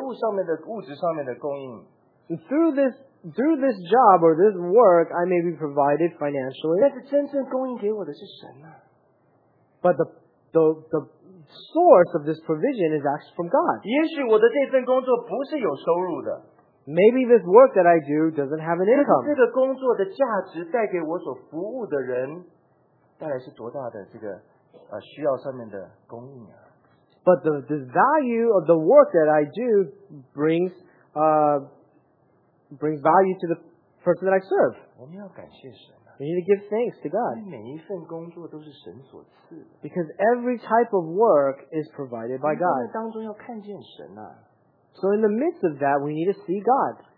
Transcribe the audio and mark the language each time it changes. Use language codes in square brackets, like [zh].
[zh] 我在这个工作上面，对，也许是得到财务上面的、物质上面的供应。 [en] Through this job or this work, I may be provided financially. [zh] 但是真正供应给我的是神啊。 [en] But the source of this provision is actually from God. [zh] 也许我的这份工作不是有收入的。 [en] Maybe this work that I do doesn't have an income. [zh] 这个工作的价值带给我所服务的人带来是多大的这个需要上面的供应啊。 [en] But the value of the work that I do brings value to the person that I serve. [zh] 我们要感谢神。 [en] We need to give thanks to God. [zh] 每一份工作都是神所赐的。 [en] Because every type of work is provided by God. [zh] 当中要看见神啊。 [en] So in the midst of that, we need to see God.